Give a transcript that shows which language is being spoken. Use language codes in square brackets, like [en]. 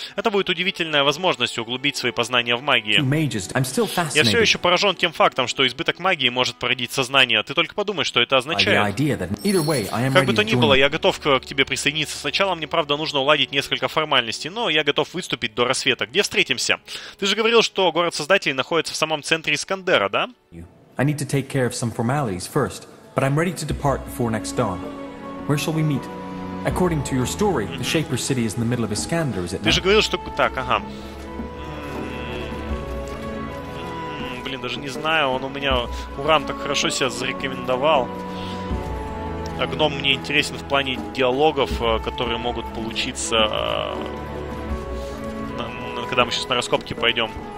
[ru] Это будет удивительная возможность углубить свои познания в магии. Я все еще поражен тем фактом, что избыток магии может породить сознание. Ты только подумай, что это означает. Как бы то ни было, я готов к тебе присоединиться. Сначала мне, правда, нужно уладить несколько формальностей, но я готов выступить до рассвета. Где встретимся? Ты же говорил, что город Создателей находится в самом центре Искандера, да? [en] I need to take care of some formalities first, but I'm ready to depart before next dawn. Where shall we meet? According to your story, the Shaper City is in the middle of Iskander, is it not? [ru] Ты же говорил, что... Так, ага. Блин, даже не знаю, он у меня... Уран так хорошо себя зарекомендовал. А гном мне интересен в плане диалогов, которые могут получиться... когда мы сейчас на раскопки пойдем.